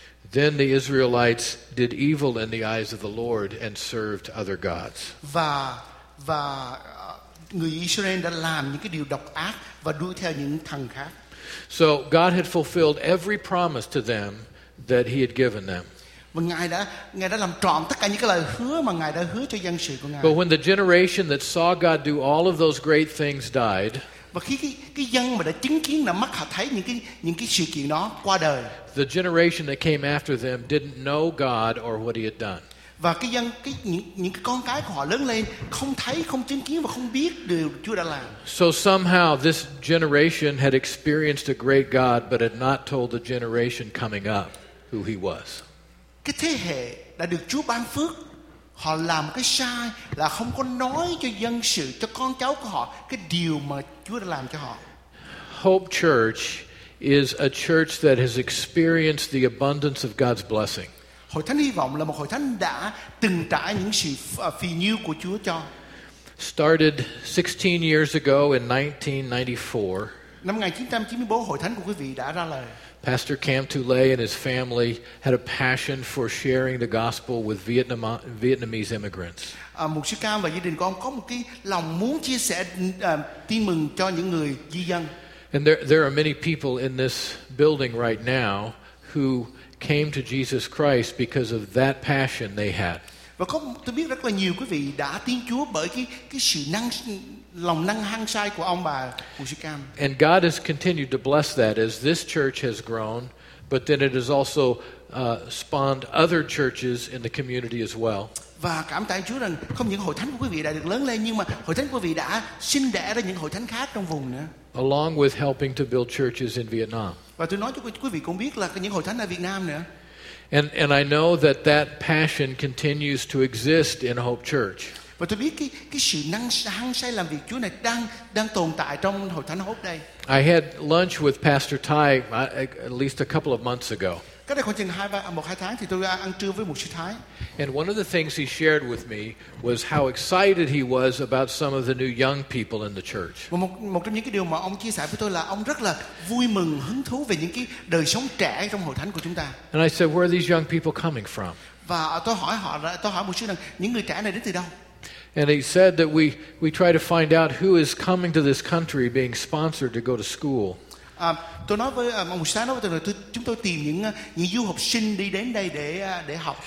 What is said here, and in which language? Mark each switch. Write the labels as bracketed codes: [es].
[en] Then the Israelites did evil in the eyes of the Lord and served other gods. [vi] Và người Israel đã làm những cái điều độc ác và đuổi theo những thần khác. [en] So God had fulfilled every promise to them that he had given them. [vi] Và Ngài đã làm trọn tất cả những cái lời hứa mà Ngài đã hứa cho dân sự của Ngài. [en] But when the generation that saw God do all of those great things died, [vi] và khi cái dân mà đã chứng kiến, đã mắt họ thấy những cái sự kiện đó qua đời, [en] the generation that came after them didn't know God or what he had done. [vi] Và cái dân, cái những cái con cái của họ lớn lên không thấy, không chứng kiến và không biết điều Chúa đã làm. [en] So somehow this generation had experienced a great God but had not told the generation coming up who he was. [vi] Cái thế hệ đã được Chúa ban phước, họ làm cái sai là không có nói cho dân sự, cho con cháu của họ cái điều mà Chúa đã làm cho họ. [en] Hope Church is a church that has experienced the abundance of God's blessing. [vi] Hội Thánh Hy Vọng là một hội thánh đã từng trải những sự phì nhiêu của Chúa cho. [en] Started 16 years ago in 1994. [vi] Năm 1994 hội thánh của quý vị đã ra lời. [en] Pastor Cam Tu Le and his family had a passion for sharing the gospel with Vietnamese immigrants. [vi] Mục sư Cam và gia đình của ông có một cái lòng muốn chia sẻ tin mừng cho những người di dân. [en] And there are many people in this building right now who came to Jesus Christ because of that passion they had. [vi] Và có, tôi biết rất là nhiều quý vị đã tin Chúa bởi cái sự năng lòng năng hăng say của ông bà Mục sư Cam. [en] And God has continued to bless that as this church has grown, but then it has also spawned other churches in the community as well. [vi] Và cảm tạ Chúa rằng không những hội thánh của quý vị đã được lớn lên, nhưng mà hội thánh của quý vị đã sinh đẻ ra những hội thánh khác trong vùng nữa. [en] Along with helping to build churches in Vietnam. [vi] Và tôi nói cho quý vị cũng biết là những hội thánh ở Việt Nam nữa. [en] And I know that that passion continues to exist in Hope Church. [vi] Và tôi biết cái sự năng hăng say làm việc Chúa này đang tồn tại trong hội thánh Hope đây. [en] I had lunch with Pastor Thai at least a couple of months ago. [vi] Cách đây khoảng chừng một hai tháng thì tôi ăn trưa với Mục sư Thái. [en] And one of the things he shared with me was how excited he was about some of the new young people in the church. [vi] Một trong những cái điều mà ông chia sẻ với tôi là ông rất là vui mừng, hứng thú về những cái đời sống trẻ trong hội thánh của chúng ta. [en] And I said, where are these young people coming from? [vi] Và tôi hỏi Mục sư rằng những người trẻ này đến từ đâu? [en] And he said that we try to find out who is coming to this country being sponsored to go to school. [vi] Tôi nói với ông sáng nói với tôi là chúng tôi tìm những du học sinh đi đến đây để học.